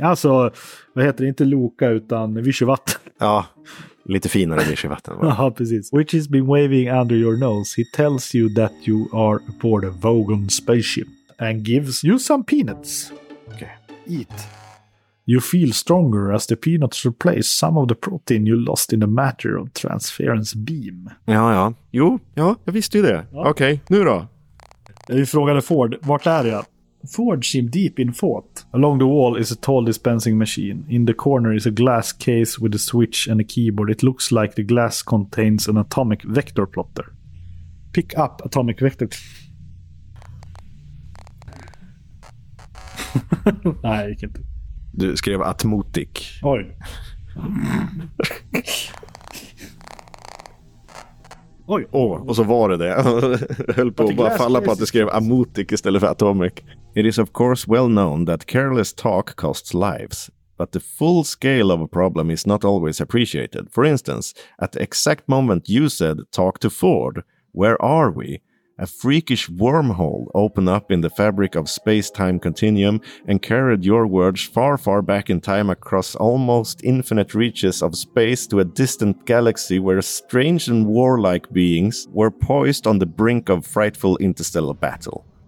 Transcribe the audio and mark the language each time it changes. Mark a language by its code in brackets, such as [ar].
[sv] Alltså, vad heter det? Inte Loka, utan Vichyvatten. Ja, lite finare Vichyvatten. Ja, precis. [en] Which has been waving under your nose. He tells you that you are aboard a Vogon spaceship and gives you some peanuts. Okay. Eat. You feel stronger as the peanuts replace some of the protein you lost in the matter of transference beam. [sv] Ja, ja. Jo, ja, jag visste ju det. Ja. Okej, okay, nu då? Vi frågade Ford, vart är jag? [en] Ford seemed deep in thought. Along the wall is a tall dispensing machine. In the corner is a glass case with a switch and a keyboard. It looks like the glass contains an atomic vector plotter. Pick up atomic vector... [sv] Nej, jag gick inte. Du skrev atmotik. Oj. Oj. Oh, och så var det. Höll på att bara falla på att du skrev amotik istället för atomic. [en] It is of course well known that careless talk costs lives. But the full scale of a problem is not always appreciated. For instance, at the exact moment you said talk to Ford, where are we? A freakish wormhole opened up in the fabric of space-time continuum and carried your words far, far back in time across almost infinite reaches of space to a distant galaxy where strange and warlike beings were poised on the brink of frightful interstellar battle.